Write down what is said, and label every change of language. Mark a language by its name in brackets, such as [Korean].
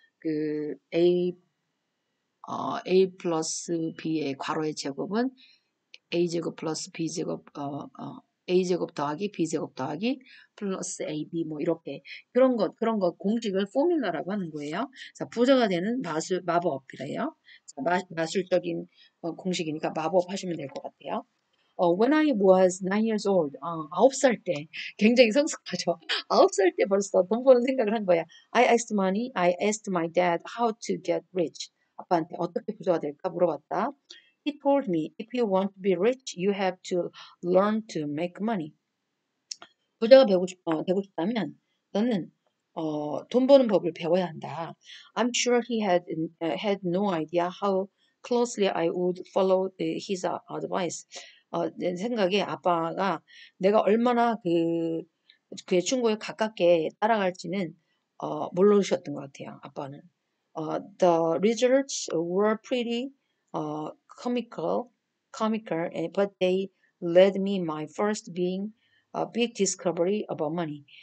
[Korean] 그 A 플러스 B의 괄호의 제곱은 A 제곱 플러스 B 제곱 A 제곱 더하기 B 제곱 더하기 플러스 AB 뭐 이렇게 그런 것 공식을 포뮬라라고 하는 거예요. 자, 부자가 되는 마법이래요. 마술적인 공식이니까 마법 하시면 될것 같아요. [English] When I was 9 years old, [Korean] 9살 때, 굉장히 성숙하죠. 9살 때 벌써 돈 버는 생각을 한 거야. [English] I asked my dad how to get rich. [Korean] 아빠한테 어떻게 부자가 될까 물어봤다. [English] He told me, if you want to be rich, you have to learn to make money. [Korean] 부자가 되고 싶다면, 너는 돈 버는 법을 배워야 한다. [English] I'm sure he had no idea how closely I would follow his advice. [Korean] 내 생각에 아빠가 내가 얼마나 그의 충고에 가깝게 따라갈지는 모르셨던 것 같아요. 아빠는 [English] The results were pretty comical, but they led me my first being a big discovery about money.